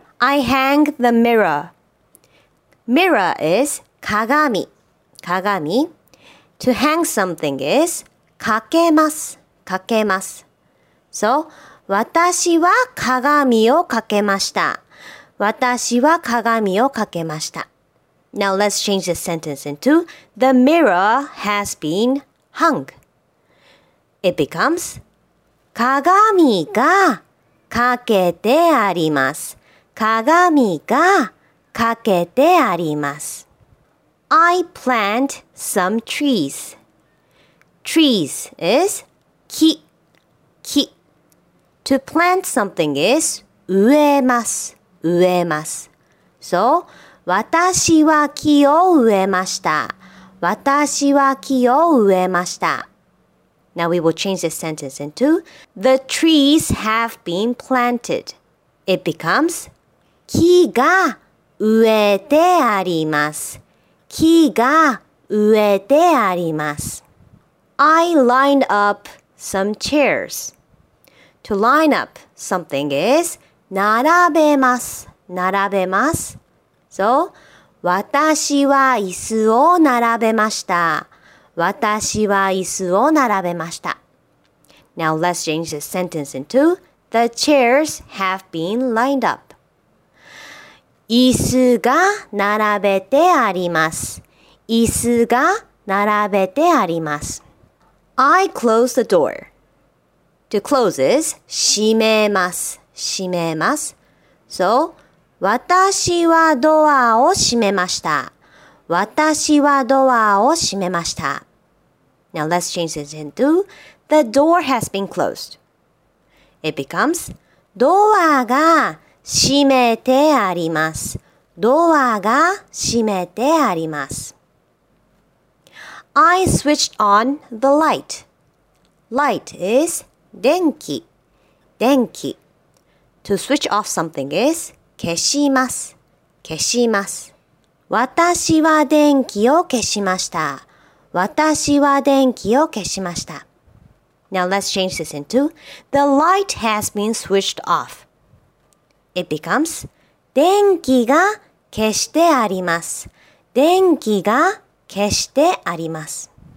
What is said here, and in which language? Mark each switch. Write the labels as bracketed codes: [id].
[en] I hang the mirror. Mirror is 鏡, 鏡. To hang something is かけます, かけます. [ja] So, 私は鏡をかけました. 私は鏡をかけました. [en] Now let's change the sentence into The mirror has been hung. It becomes [ja] 鏡がかけてあります. 鏡がかけてあります。 [en] I plant some trees. Trees is き、 [ja] き。 [en] To plant something is 植えます、植えます。 [ja] So, 私は木を植えました。私は木を植えました。 [en] Now we will change this sentence into The trees have been planted. It becomes [ja] 木が植えてあります。木が植えてあります。 [en] I lined up some chairs. To line up something is [ja] 並べます。並べます。 [en] So, [ja] 私は椅子を並べました。私は椅子を並べました。 [en] Now let's change this sentence into The chairs have been lined up. [ja] 椅子が並べてあります。椅子が並べてあります。 [en] I close the door. To close is [ja] 閉めます。閉めます。 [en] So, [ja] 私はドアを閉めました。私はドアを閉めました。 [en] Now let's change this into The door has been closed. It becomes [ja] ドアが閉めてあります。ドアが閉めてあります。 [en] I switched on the light. Light is [ja] 電気。電気。 [en] To switch off something is [ja] 消します。消します。私は電気を消しました。私は電気を消しました。 [en] Now let's change this into The light has been switched off. It becomes [ja] 電気が消してあります。電気が消してあります。